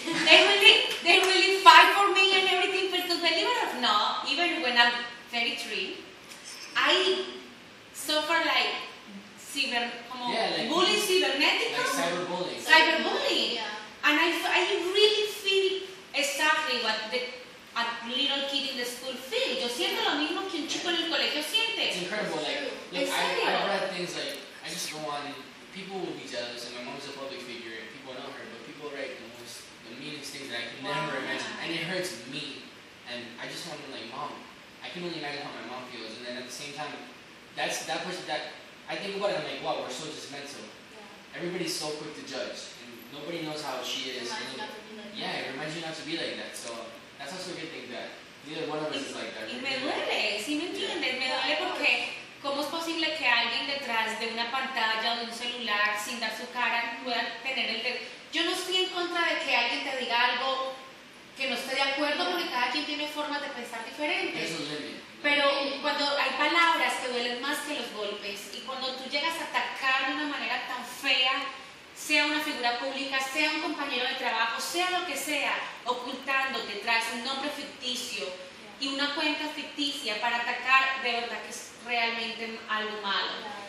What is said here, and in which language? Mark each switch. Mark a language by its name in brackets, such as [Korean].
[English] They really fight for me and everything. Because believe it or not, even when I'm 33, I suffer like bullying, cybernetical. Like cyberbullying. Cyberbullying. Yeah. And I really feel exactly what a little kid in the school feels. [Spanish] Yo siento lo mismo que un chico en el colegio siente. [English] It's incredible. I've read things like, I just go on and people will be jealous, and my mom's a public figure and people know her, but people write the meanest things that I can never imagine. And it hurts me. And I just want to be like, mom, I can only imagine how my mom feels. And then at the same time, that's that person that, I think about it, I'm like, wow, we're so judgmental. Yeah. Everybody's so quick to judge. And nobody knows how she is. be like that. So that's also a good thing that neither one of us is like that. [Spanish] Y me duele, ¿sí me entiendes? Yeah. Me duele porque ¿cómo es posible que alguien detrás de una pantalla o de un celular sin dar su cara pueda tener el dedo? Yo no estoy en contra de que alguien te diga algo que no esté de acuerdo porque cada quien tiene formas de pensar diferentes. Eso es de pero cuando hay palabras que duelen más que los golpes y cuando tú llegas a atacar de una manera tan fea, sea una figura pública, sea un compañero de trabajo, sea lo que sea, ocultando detrás un nombre ficticio y una cuenta ficticia para atacar, de verdad que es realmente algo malo.